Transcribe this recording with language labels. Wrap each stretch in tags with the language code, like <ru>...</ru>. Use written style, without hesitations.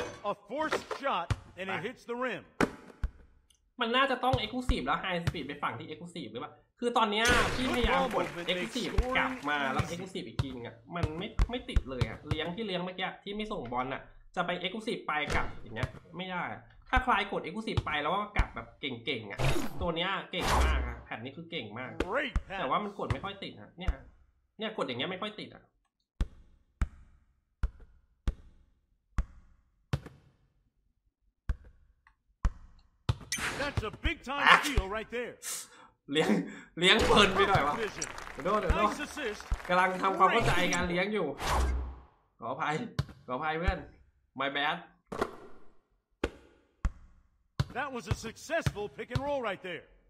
<en>A forced shot and it hits the rim</en> <th>มันน่าจะต้อง exclusive แล้ว high speed ไปฝั่งที่ exclusive หรือเปล่าคือตอนนี้พี่พยายามบด exclusive กลับมาแล้ว exclusive อีกทีนึงอ่ะมันไม่ติดเลยอ่ะเลี้ยงที่เลี้ยงเมื่อกี้ที่ไม่ส่งบอลอ่ะจะไป exclusive ไปกลับอย่างเงี้ยไม่ได้ถ้าคลายกด exclusive ไปแล้วก็กลับแบบเก่งๆอ่ะตัวเนี้ยเก่งมากอ่ะแผ่นนี้คือเก่งมากแต่ว่ามันกดไม่ค่อยติดอ่ะเนี่ยกดอย่างเงี้ยไม่ค่อยติดอ่ะ</th> <en>That's a big time steal right there.</en> <th>เลี้ยงเพลินไปหน่อยวะ เดี๋ยวกำลังทำความเข้าใจการเลี้ยงอยู่ขออภัยเพื่อน</th> <en>My bad. That was a successful pick and roll right there.</en>